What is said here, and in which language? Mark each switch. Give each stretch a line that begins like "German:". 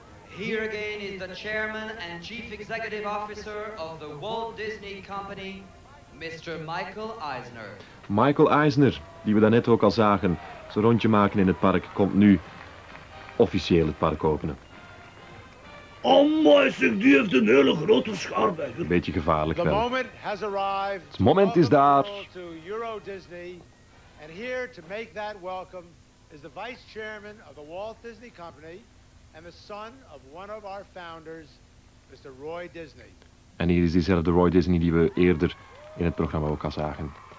English: Here again is the Chairman and Chief Executive Officer of the Walt Disney Company, Mr. Michael Eisner.
Dutch: Michael Eisner, die we daarnet ook al zagen, zijn rondje maken in het park, komt nu officieel het park openen. Amai, zeg, die heeft een hele grote schaar bij. Een beetje gevaarlijk wel.
English: The moment has arrived.
Dutch: Het moment is daar.
English: To Euro Disney, and here to make that welcome is the vice chairman of the Walt Disney Company and the son of one of our founders, Mr. Roy Disney.
Dutch: En hier is diezelfde Roy Disney die we eerder in het programma ook al zagen.